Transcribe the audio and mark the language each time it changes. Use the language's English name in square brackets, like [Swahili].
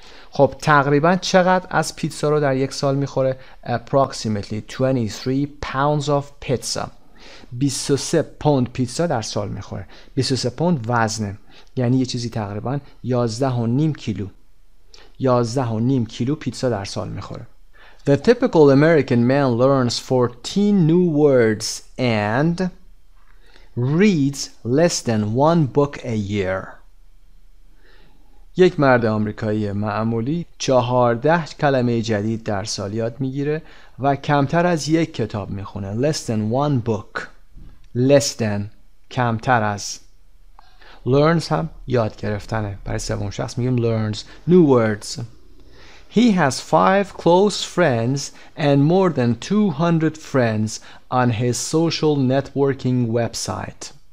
[Persian] خب تقریبا چقدر از پیتزا رو در یک سال میخوره؟ [English] approximately 23 pounds of pizza. [Persian] 23 پوند پیتزا در سال میخوره. 23 پوند وزنه، یعنی یه چیزی تقریبا 11.5 کیلو. 11.5 کیلو پیتزا در سال میخوره. [English] The typical American man learns 14 new words and reads less than one book a year. [Persian] یک مرد آمریکایی معمولی 14 کلمه جدید در سال یاد میگیره و کمتر از یک کتاب میخونه. [English] Less than one book. Less than [Persian] کمتر از. Learns هم یاد گرفتنه، برای سوم شخص میگیم learns. [English] New words. He has 5 close friends and more than 200 friends on his social networking website.